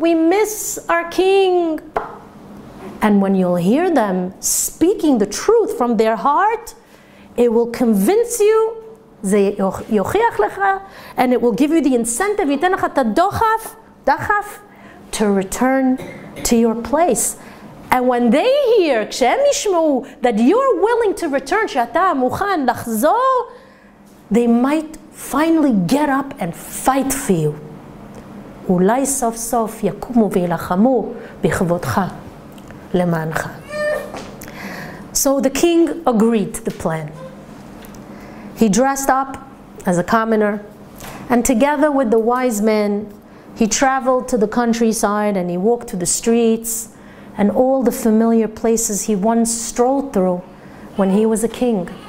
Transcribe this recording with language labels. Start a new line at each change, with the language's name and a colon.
English: We miss our king. And when you'll hear them speaking the truth from their heart, it will convince you,
Hebrew: זה יוכיח לך,
English: and it will give you the incentive,
Hebrew: ייתן לך את הדוחף, דחף,
English: to return to your place. And when they hear,
Hebrew: כשהם ישמעו,
English: that you're willing to return,
Hebrew: שאתה מוכן לחזור,
English: they might finally get up and fight for you.
Hebrew: אולי סוף סוף יקומו וילחמו בכבודך, למענך.
English: So the king agreed to the plan. He dressed up as a commoner, and together with the wise men, he traveled to the countryside and he walked through the streets, and all the familiar places he once strolled through when he was a king.